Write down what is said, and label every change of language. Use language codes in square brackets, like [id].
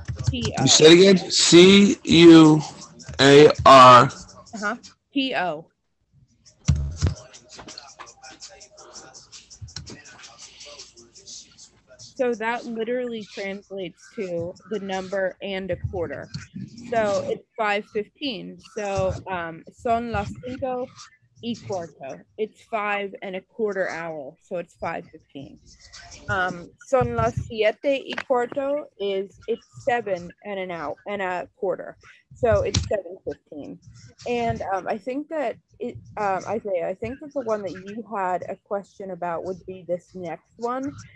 [en] P-O. You said it again? C-U-A-R. Uh-huh. P-O. So that literally translates to the number and a quarter. So it's 5:15. [es] So son las cinco y cuarto. [en] It's 5:15, so it's 5:15. [es] Son las 7:15 [en] is it's 7 and a quarter, so it's 7:15. And I think that it, Isaiah, I think that the one that you had a question about would be this next one.